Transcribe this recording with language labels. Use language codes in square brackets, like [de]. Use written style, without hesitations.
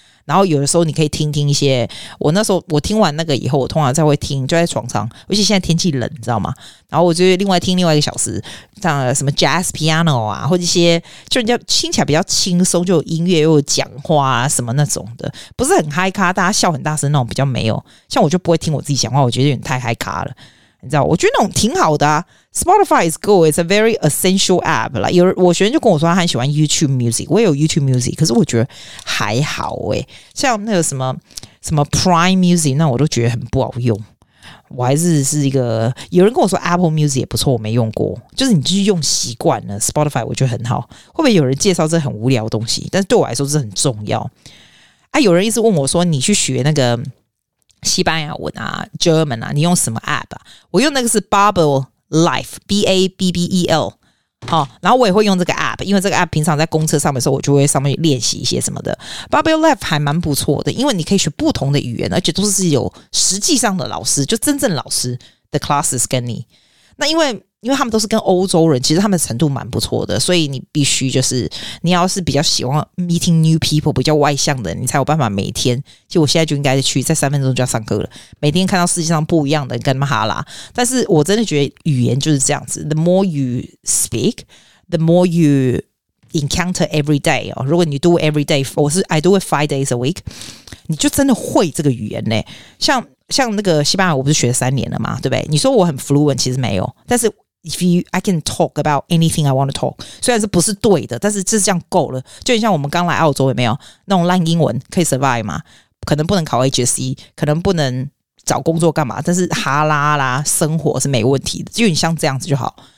[zh] 然后有的时候你可以听一些，我那时候我听完那个以后我通常再会听，就在床上，而且现在天气冷你知道吗，然后我就另外听另外一个小时像什么 Jazz Piano 啊，或者一些就人家听起来比较轻松，就有音乐又有讲话啊什么那种的，不是很 high 咖，大家笑很大声那种比较没有，像我就不会听我自己讲话，我觉得有点太 high 咖了你知道，我觉得那种挺好的啊。 [en] Spotify is good, it's a very essential app. [zh] Like, 有我学生就跟我说他很喜欢 YouTube Music, 我也有 YouTube Music, 可是我觉得还好耶。像那个什么 Prime Music, 那我都觉得很不好用。我还是一个，有人跟我说 Apple Music 也不错，我没用过。就是你继续用习惯了 Spotify 我觉得很好。会不会有人介绍这很无聊的东西，但是对我来说是很重要。有人一直问我说你去学那个西班牙文啊 German 啊，你用什么 app 啊？我用那个是 Babbel Life， B-A-B-B-E-L、然后我也会用这个 app， 因为这个 app 平常在公车上面的时候我就会上面练习一些什么的。 Babbel Life 还蛮不错的，因为你可以学不同的语言，而且都是有实际上的老师，就真正老师的 classes 跟你。那因为因为他们都是跟欧洲人，其实他们程度蛮不错的，所以你必须就是你要是比较喜欢 meeting new people， 比较外向的，你才有办法每天，其实我现在就应该去，在三分钟就要上课了，每天看到世界上不一样的跟哈拉。但是我真的觉得语言就是这样子， [en] the more you speak the more you encounter every day、 [zh] 哦、如果你 do every day， 我是 [en] I do it 5 days a week， [zh] 你就真的会这个语言呢。像那个西班牙我不是学了3年了嘛，对不对？你说我很 fluent 其实没有，但是 [en] I can talk about anything I want to talk， [zh] 虽然是不是对的，但是就是这样够了。就像我们刚来澳洲也没有那种烂英文可以 survive 嘛，可能不能考 HSE， 可能不能找工作干嘛，但是哈拉啦生活是没问题的，就你像这样子就好。